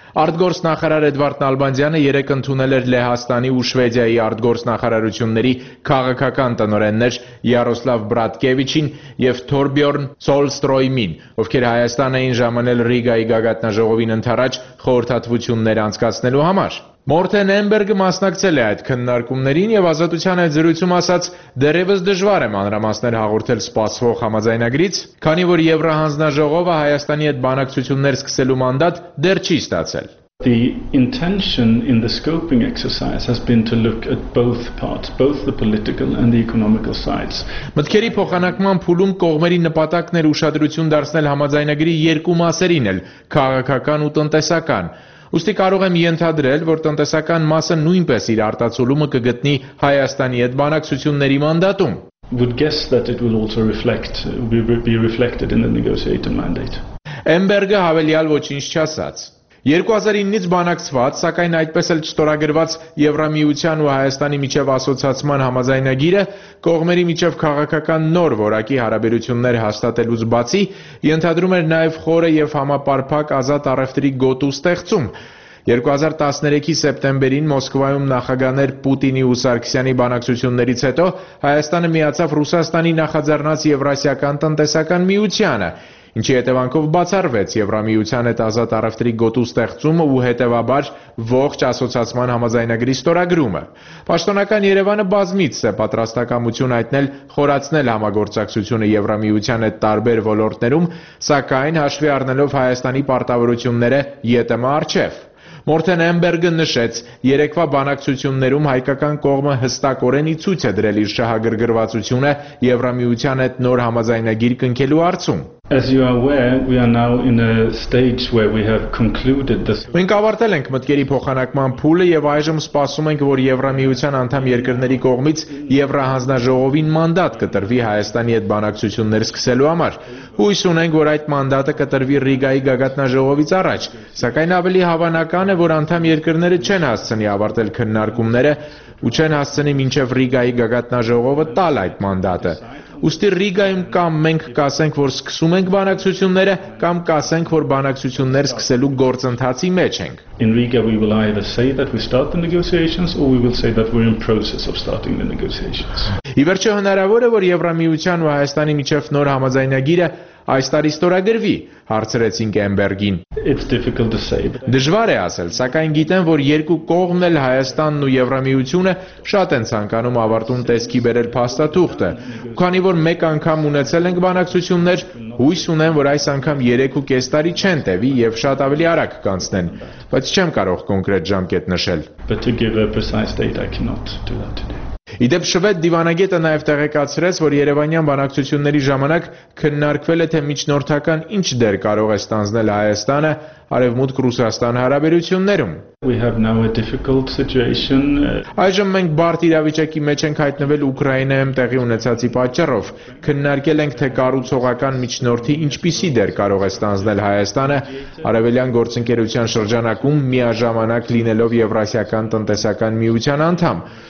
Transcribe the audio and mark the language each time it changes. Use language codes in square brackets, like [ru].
[hy] Արտգործնախարար Էդվարդ Նալբանդյանը երեկ ընդունել էր Լեհաստանի ու Շվեդիայի արտգործնախարարությունների քաղաքական տնօրեններ Յարոսլավ Բրատկևիչին և Թորբյորն Սոլստրոյմին, ովքեր Հայաստան էին ժամանել Ռիգայի գագաթնաժողովին ընդառաջ խորհրդատվություններ անցկացնելու համար։ Մորթեն Էմբերգը մասնակցել է այդ քննարկումներին և ազատության այդ զրույցում ասաց, դեռևս դժվար է մանրամասներ հաղորդել սպասվող համաձայնագրից, քանի որ Եվրահանձնաժողովը Հայաստանի հետ բանակցություններ սկսելու մանդատ դեռ չի ստացել։ [en] The intention in the scoping exercise has been to look at both parts, both the political and the economical sides. [hy] Մտքերի փոխանակման փուլում կողմերի նպատակն էր ուշադրություն դարձնել համաձայնագրի երկու մասերին էլ՝ քաղաքական ու տնտեսական։ Ուստի կարող եմ ենթադրել, որ տնտեսական մասը նույնպես իր արտացոլումը կգտնի Հայաստանի հետ բանակցությունների մանդատում։ [en] Would guess that it will also reflect will be reflected in the negotiator mandate. [hy] Էմբերգը հավելյալ ոչինչ չասաց։ 2009-ից բանակցված, սակայն այդպես էլ չստորագրված Եվրամիության ու Հայաստանի միջև ասոցացման համաձայնագիրը կողմերի միջև քաղաքական նոր որակի հարաբերություններ հաստատելուց բացի ենթադրում էր նաև խորը և համապարփակ ազատ առևտրի գոտու ստեղծում։ 2013-ի սեպտեմբերին Մոսկվայում նախագահներ Պուտինի ու Սարգսյանի բանակցություններից հետո Հայաստանը միացավ Ռուսաստանի նախաձեռնած Եվրասիական տնտեսական միությանը, ինչի հետևանքով բացառվեց Եվրամիության հետ ազատ առևտրի գոտու ստեղծումը ու հետևաբար ողջ ասոցացման համաձայնագրի ստորագրումը։ Պաշտոնական Երևանը բազմից է պատրաստակամություն հայտնել խորացնել համագործակցությունը Եվրամիության հետ տարբեր ոլորտներում, սակայն հաշվի առնելով Հայաստանի պարտավորությունները ԵՏՄ-ի առջև։ Մորթեն Էմբերգը նշեց, երեկվա բանակցություններում հայկական կողմը հստակորեն ի ցույց է դրել իր շահագրգռվածությունը Եվրամիության հետ նոր համաձայնագիր կնքելու արցում։ [en] As you are aware, we are now in a stage where we have concluded this. [hy] Մենք ավարտել ենք մտքերի փոխանակման փուլը եւ այժմ սպասում ենք, որ Եվրամիության անդամ երկրների կողմից Եվրահանձնաժողովին մանդատ կտրվի Հայաստանի հետ բանակցություններ սկսելու համար։ Հույս ունենք, որ այդ մանդատը կտրվի Ռիգայի գագաթնաժողովից առաջ, սակայն ավելի հավանական է, որ անդամ երկրները չեն հասցնի ավարտել քննարկումները ու չեն հասցնի մինչեւ Ռիգայի գագաթնաժողովը տալ այդ մանդատը։ Ուստի Ռիգայում կամ մենք կասենք, որ սկսում ենք բանակցությունները, կամ կասենք, որ բանակցություններ սկսելու գործընթացի մեջ ենք։ [en] In Riga we will either say that we start the negotiations or we will say that we're in process of starting the negotiations. [hy] Իվերջո հնարավոր է, որ Եվրամիության ու Հայաստանի միջև նոր համաձայնագիրը այս տարի ստորագրվի, հարցրեցինք Էմբերգին։ [en] It's difficult to say. [hy] Դժվար է ասել, սակայն գիտեմ, որ երկու կողմն էլ Հայաստանն ու Եվրամիությունը շատ են ցանկանում ավարտուն տեսքի բերել փաստաթուղթը։ Քանի որ մեկ անգամ ունեցել ենք բանակցություններ, հույս ունեմ, որ այս անգամ 3.5 տարի չեն տևի եւ շատ ավելի արագ կանցնեն, բայց չեմ կարող կոնկրետ ժամկետ նշել։ [en] But to give a precise date I cannot do that today. [hy] Իդեպ Շվեդ դիվանագետը նաև տեղեկացրեց, որ Երևանյան բանակցությունների ժամանակ քննարկվել է, թե միջնորդական ինչ դեր կարող է ստանձնել Հայաստանը Արևմուտք Ռուսաստան հարաբերություններում։ [en] We have now a difficult situation. [hy] Այժմ մենք բարդ իրավիճակի մեջ ենք հայտնվել Ուկրաինայում տեղի ունեցածի պատճառով։ Քննարկել ենք, թե կառուցողական միջնորդի ինչպիսի դեր կարող է ստանձնել Հայաստանը Արևելյան գործընկերության շրջանակում միաժամանակ լինելով Եվրասիական տնտեսական միության անդամ։